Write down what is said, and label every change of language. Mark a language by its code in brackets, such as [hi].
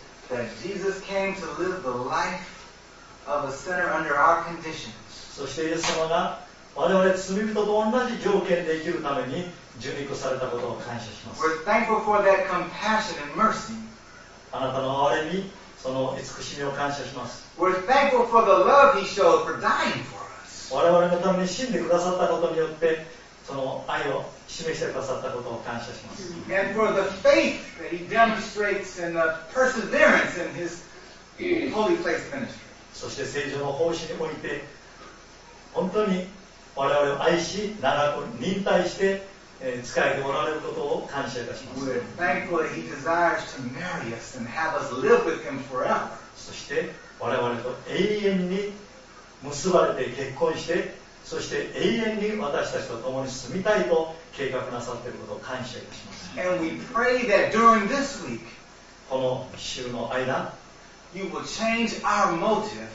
[en] That Jesus came to live the life of a sinner under our conditions. [ja] そしてイエス様が我々罪人と同じ条件で生きるために受肉されたことを感謝します。 [en] We're thankful for that compassion and mercy. [ja] あなたの憐れみ、その慈しみを感謝します。 [en] We're thankful for the love He showed for dying for us. [ja] 我々のために死んでくださったことによって、その愛を示してくださったことを感謝します。 [en] And for the faith that He demonstrates and the perseverance in His holy place ministry. [ja] そして聖書の奉仕において、本当に我々を愛し、長く忍耐して、使えておられることを感謝いたします。 [en] We're thankful that He desires to marry us and have us live with Him forever. [ja] そして、我々と永遠に結ばれて結婚して、そして永遠に私たちと共に住みたいと計画なさっていることを感謝いたします。 [en] And we pray that during this week, [ja] この週の間、 [en] You will change our motive.